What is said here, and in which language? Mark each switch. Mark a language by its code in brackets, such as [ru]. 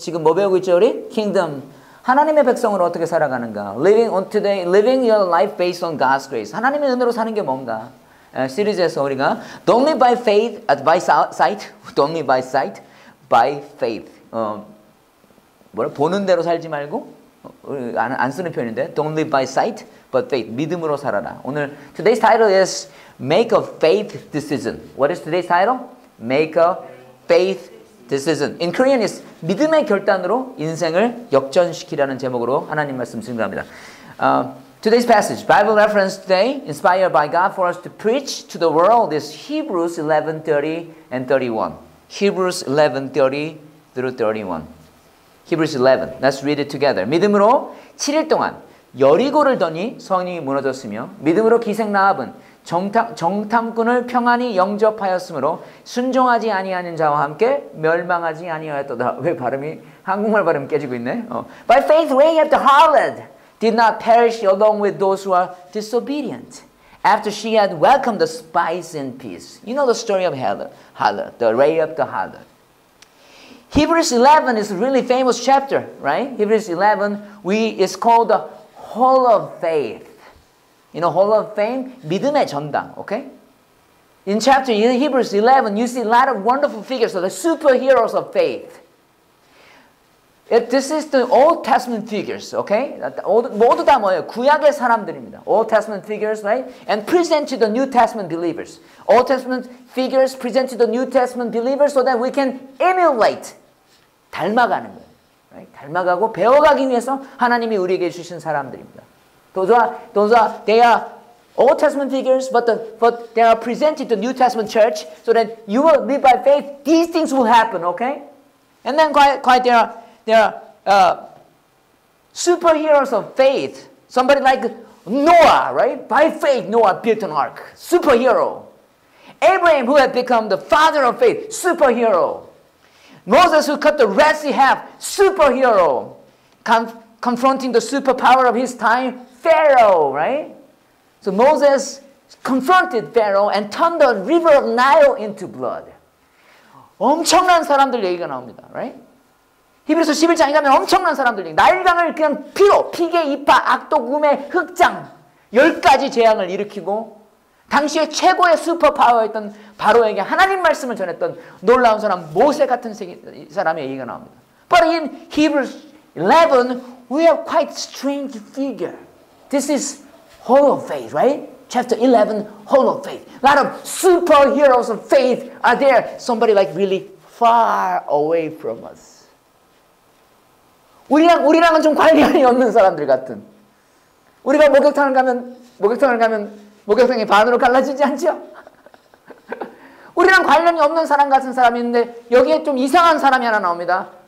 [ko] 지금 뭐 배우고 있죠, 우리? [en] Kingdom. [ko] 하나님의 백성으로 어떻게 살아가는가? [en] Living on today, living your life based on God's grace. [ko] 하나님의 은혜로 사는 게 뭔가? 시리즈에서 우리가 [en] Don't live by faith, by sight. Don't live by sight, by faith. [ko] 뭐라 보는 대로 살지 말고 안 쓰는 표현인데 [en] Don't live by sight but faith [ko] 믿음으로 살아라 오늘 [en] Today's title is Make a Faith Decision What is today's title? Make a Faith Decision In Korean is [ko] 믿음의 결단으로 인생을 역전시키라는 제목으로 하나님 말씀 증거합니다 [en] Today's passage Bible reference today inspired by God for us to preach to the world is Hebrews 11:30 and 31 Hebrews 11:30-31 Hebrews 11. Let's read it together. [ko] 믿음으로 7일 동안 여리고를 더니 성이 무너졌으며 믿음으로 기생나압은 정탐꾼을 평안히 영접하였으므로 순종하지 아니하는 자와 함께 멸망하지 아니하였도다. 왜 발음이 한국말 발음 깨지고 있네? [en] By faith Rahab the harlot did not perish along with those who are disobedient. After she had welcomed the spies in peace. You know the story of Rahab the harlot. Hebrews 11 is a really famous chapter, right? Hebrews 11, it's called the Hall of Faith. You know, Hall of Fame, 믿음의 전당, okay? In chapter in Hebrews 11, you see a lot of wonderful figures, the superheroes of faith. This is the Old Testament figures, okay? [ko] 모두 다 뭐예요? 구약의 사람들입니다. [en] Old Testament figures, right? And present to the New Testament believers. Old Testament figures present to the New Testament believers so that we can emulate [ko] 닮아가는 거예요. [en] Right? [ko] 닮아가고 배워가기 위해서 하나님이 우리에게 주신 사람들입니다. [en] They are Old Testament figures, but they are presented to New Testament church so that you will live by faith. These things will happen, okay? And then there are superheroes of faith. Somebody like Noah, right? By faith, Noah built an ark. Superhero. Abraham, who had become the father of faith. Superhero. Moses, who cut the Red Sea in half, superhero, confronting the superpower of his time, Pharaoh, right? So Moses confronted Pharaoh and turned the river of Nile into blood. [ko] 엄청난 사람들 얘기가 나옵니다, right? 히브리서 11장에 가면 엄청난 사람들 얘기. 나일강을 그냥 피로, 피계, 이파, 악독, 우매, 흑장, 열 가지 재앙을 일으키고, 당시에 최고의 슈퍼파워였던 바로에게 하나님 말씀을 전했던 놀라운 사람 모세 같은 사람의 얘기가 나옵니다. [en] But in Hebrews 11, we have quite strange figure. This is Hall of Faith, right? Chapter 11, Hall of Faith. A lot of superheroes of faith are there. Somebody like really far away from us. [ko] 우리랑은 좀 관련이 없는 사람들 같은. 우리가 목욕탕을 가면 목욕탕이 반으로 갈라지지 않죠? 우리랑 관련이 없는 사람 같은 사람인데 여기에 좀 이상한 사람이 하나 나옵니다.